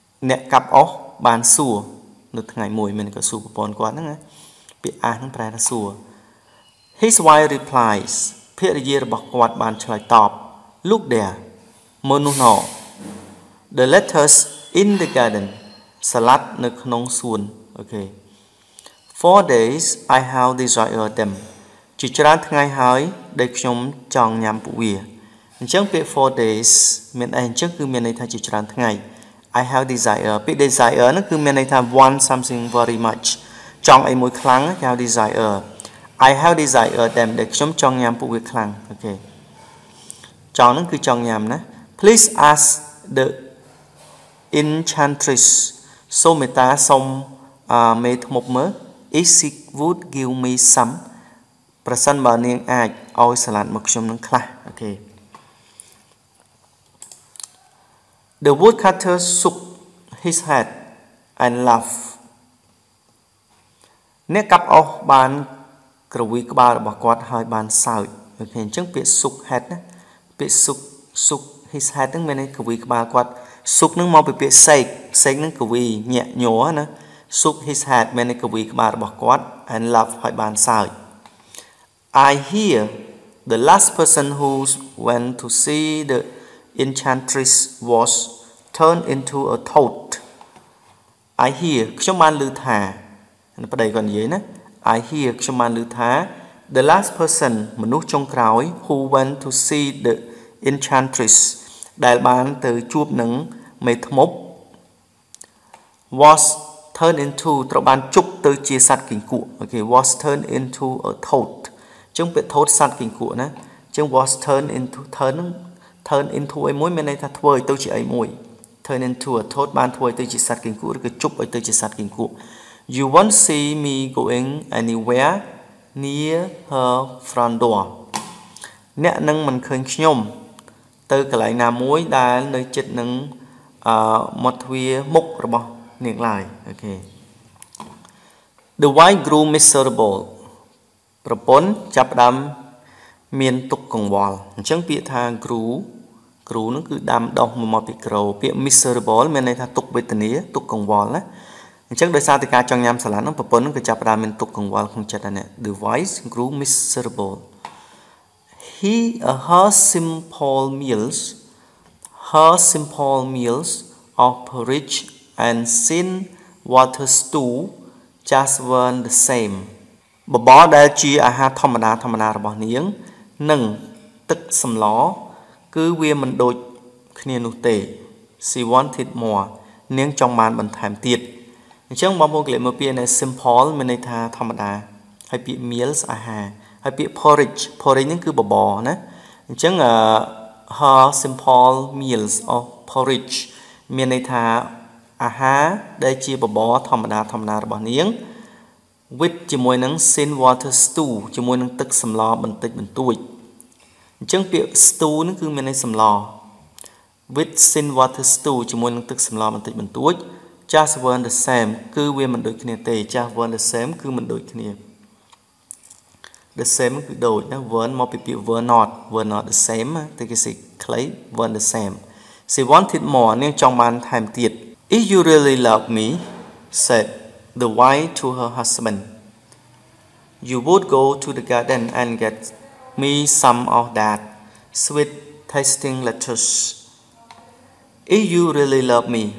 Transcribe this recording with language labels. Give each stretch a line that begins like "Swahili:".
Khmer: អ្នកកាប់អុសបានសួរនៅថ្ងៃមួយមានកសួរប្រពន្ធគាត់ហ្នឹងពាក្យ ask ហ្នឹងប្រែថាសួរ
English: His wife replies
Khmer: ភរិយារបស់គាត់បានឆ្លើយតប
English: Look there
Khmer: មើលនោះណ
English: The lettuce in the garden
Khmer: សាឡាត់នៅក្នុងសួនអូខេ
English: 4 days I have desired them
Khmer: ជាច្រើនថ្ងៃហើយដែលខ្ញុំចង់ញ៉ាំពួកវាអញ្ចឹងពាក្យ
English: 4 days
Khmer: មានអីអញ្ចឹងគឺមានន័យថាជាច្រើនថ្ងៃ
English: I have desire.
Khmer: ពាក្យ desire នោះគឺមានន័យថា
English: want something very much.
Khmer: ចង់អីមួយខ្លាំង
English: I have desire. I have desire them.
Khmer: ដែលខ្ញុំចង់ញ៉ាំពួកវាខ្លាំង. Okay. ចង់នោះគឺចង់ញ៉ាំណា.
English: Please ask the enchantress.
Khmer: សូមមេត្តាសូមមេធ្មប់មើល.
English: If she would give me some.
Khmer: ប្រសិនបើនាងអាចឲ្យសាឡាត់មកខ្ញុំនឹងខ្លះ.
English: Okay. The woodcutter shook his head and laughed.
Khmer: អ្នកកាប់អុសបានក្រវីក្បាលរបស់គាត់ហើយបានសើចដូចគ្នាអញ្ចឹងពាក្យ shook head ណាពាក្យ
English: shook his head
Khmer: ហ្នឹងមានន័យក្រវីក្បាលគាត់ shook ហ្នឹងមកពីពាក្យ shake shake ហ្នឹងក្រវីញាក់ញ័រណា shook his head មានន័យក្រវីក្បាលរបស់គាត់
English: and laughed
Khmer: ហើយបានសើច
English: I hear the last person who went to see theEnchantress was turned into a toad. I hear
Khmer: ខ្ញុំបានឮថាប្តីគាត់និយាយណា
English: I hear
Khmer: ខ្ញុំបានឮថា
English: the last person
Khmer: មនុស្សចុងក្រោយ
English: who went to see the enchantress
Khmer: ដែលបានទៅជួបនឹងមេធ្មប់
English: was turned into
Khmer: ត្រូវបានជុកទៅជាសត្វគង្គក់ Okay
English: was turned into a toad
Khmer: អញ្ចឹងពាក្យ toad សត្វគង្គក់ណាអញ្ចឹង was turned into turn nturn into ឲ្យមួយមានន័យថាធ្វើឲ្យទៅជាអីមួយ
English: turn into a toad
Khmer: បានធ្វើឲ្យទៅជាសត្វគង្គក់ឬក៏ជប់ឲ្យទៅជាសត្វគង្គក់
English: you won't see me going anywhere near her front door
Khmer: អ្នកនឹងមិនឃើញខ្ញុំទៅកន្លែងណាមួយដែលនៅជិតនឹងមាត់ទ្វារមុខរបស់នាងឡើយអូខេ
English: the wife grew miserable
Khmer: ប្រពន្ធចាប់ដើមមានទុកកង្វល់អញ្ចឹងពាក្យថា គ្រូនឹងគឺដាំដោះមកមកពីក្រោពាក្យ miserable មានន័យថាទុកវេទនាទុកកង្វល់ណាអញ្ចឹងដោយសារតែការចង់ញ៉ាំសាឡាត់នឹងប្រពន្ធនឹងក៏ចាប់ដើមមានទុកកង្វល់ក្នុងចិត្តដែរណា
English: the wife grew miserable her simple meals of porridge and thin water stew just weren't the same
Khmer: បបរដែលជាអាហារធម្មតារបស់នាងនឹងទឹកសម្លគឺវាមិនដូចគ្នានោះទេ
English: She wanted more
Khmer: នាងចង់បានបន្ថែមទៀតអញ្ចឹងបងប្អូនគេមើលពាក្យនេះ simple មានន័យថាធម្មតាហើយពាក្យ meals អាហារហើយពាក្យ porridge នឹងគឺបបរណាអញ្ចឹង
English: her simple meals of porridge
Khmer: មានន័យថាអាហារដែលជាបបរធម្មតារបស់នាងwith ជាមួយនឹង
English: thin water stew
Khmer: ជាមួយនឹងទឹកសម្លបន្តិចបន្តួចអញ្ចឹងពាក្យ stew នឹងគឺមានន័យសម្ល
English: with thin water stew
Khmer: ជាមួយនឹងទឹកសម្លបន្តិចបន្តួច
English: just weren't the same
Khmer: គឺវាមិនដូចគ្នាទេ just weren't the same គឺមិនដូចគ្នា
English: the same គឺដូចណា weren't មកពីពាក្យ were not the same តែគេ say clay weren't the same she wanted more
Khmer: នាងចង់បានថែមទៀត
English: if you really love me saidthe wife to her husband you would go to the garden and get me some of that sweet tasting lettuce if you really love me